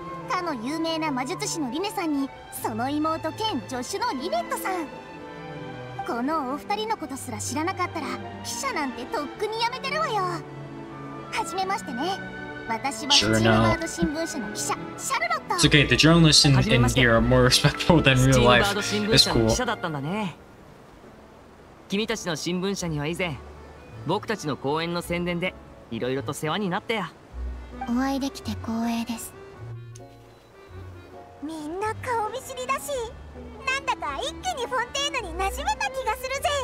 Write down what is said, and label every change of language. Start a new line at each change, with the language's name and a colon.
Japanese: かの有名な魔術師のリネさんに、その妹兼助手のリネットさん。このお二人のことすら知らなかったら、記者なんてとっくに辞めてるわよ。はじめましてね。私はジーナワード新聞社の記者、シャルロット。
English: It's okay, the journalists in here are more respectful than real life. It's cool.
Japanese: ね、君たちの新聞社には以前、僕たちの公演の宣伝で、いろいろと世話になったや。お会いできて光栄です。みんな顔見知りだし、なんだか一気にフォンテーヌに馴染めた気がするぜ。